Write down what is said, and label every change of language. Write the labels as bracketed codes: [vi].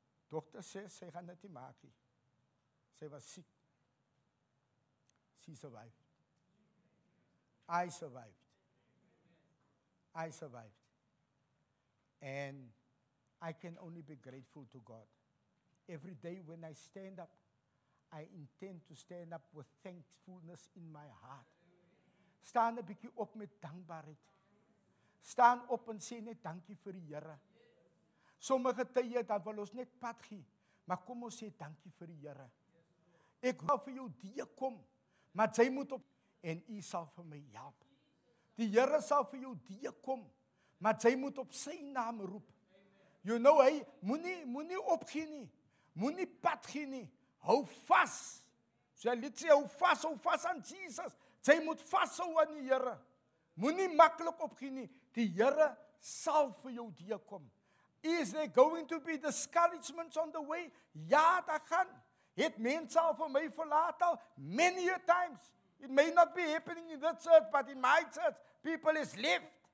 [en] Doctor says, she [af] gaan dit nie maak nie. [en] She was sick. She survived. I survived. I survived. And I can only be grateful to God. Every day when I stand up, I intend to stand up with thankfulness in my heart. [af] Staan 'n bietjie op met dankbaarheid. Staan op en sê net dankie vir die Here. Sommige tye dan wil ons net pad gee, maar kom ons sê dankie vir die Here. Ek hoor vir jou die kom, maar jy moet op en U sal vir my help. Die Here sal vir jou die kom, maar jy moet op sy naam roep. [en] You know, hey, [af] moenie opgee nie. Moenie pad gee nie. Hou vas. Sy lied sê, hou vas aan Jesus. Jy moet vashou aan die Here. Moenie maklik opgee nie. Die Here sal vir jou deur kom. [en] Is there going to be discouragements on the way? [af] Ja, daar gaan. Het mense al vir my verlaat al? [en] Many a times. It may not be happening in that church, but in my church, people is left.